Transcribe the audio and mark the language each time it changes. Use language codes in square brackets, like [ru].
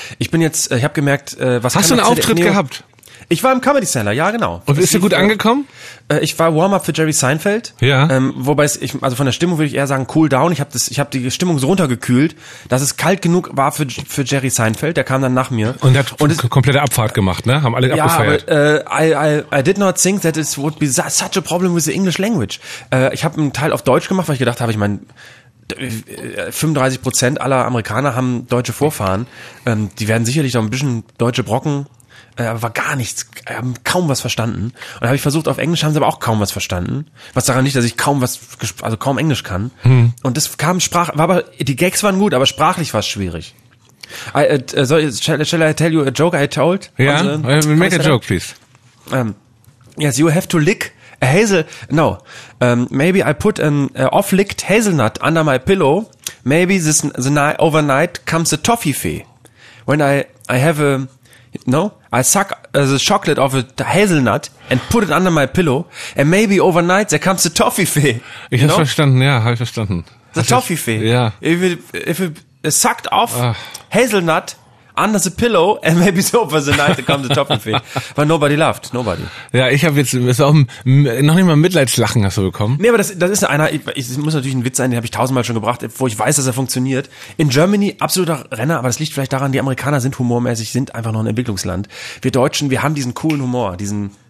[de] Hast du einen Auftritt gehabt? Ich war im Comedy Cellar, ja genau. Und bist du gut angekommen? Ich war Warm-up für Jerry Seinfeld. Ja. Von der Stimmung würde ich eher sagen Cool Down. Ich habe die Stimmung so runtergekühlt, dass es kalt genug war für Jerry Seinfeld. Der kam dann nach mir. Und hat komplette Abfahrt gemacht, ne? Haben alle abgefeiert. Ja, aber [en] I did not think that it would be such a problem with the English language. [de] Ich habe einen Teil auf Deutsch gemacht, weil ich gedacht habe, 35% aller Amerikaner haben deutsche Vorfahren. Die werden sicherlich noch ein bisschen deutsche Brocken. Aber war gar nichts, haben kaum was verstanden. Und habe ich versucht, auf Englisch haben sie aber auch kaum was verstanden. Was daran liegt, dass ich kaum Englisch kann. Und das kam die Gags waren gut, aber sprachlich war es schwierig. [en] Shall I tell you a joke I told? [de] Ja, [en] make a joke, please. Yes, you have to lick a maybe I put an off-licked hazelnut under my pillow. Maybe this overnight comes a toffee fee. When I have a No, I suck the chocolate off a hazelnut and put it under my pillow and maybe overnight there comes the Toffifee. [de] Ich hab's verstanden, ja, hab ich verstanden. [en] The Toffifee. [de] Ja. [en] If it sucked off hazelnut under the pillow and maybe so over the night there comes the Toffifee. But nobody laughed, nobody. [de] Ja, ich hab jetzt, ist auch noch nicht mal Mitleidslachen hast du bekommen. Nee, aber das ist einer, ich muss natürlich ein Witz sein, den habe ich tausendmal schon gebracht, wo ich weiß, dass er funktioniert. [en] In Germany, [de] absoluter Renner, aber das liegt vielleicht daran, die Amerikaner sind humormäßig, sind einfach noch ein Entwicklungsland. Wir Deutschen, wir haben diesen coolen Humor, diesen,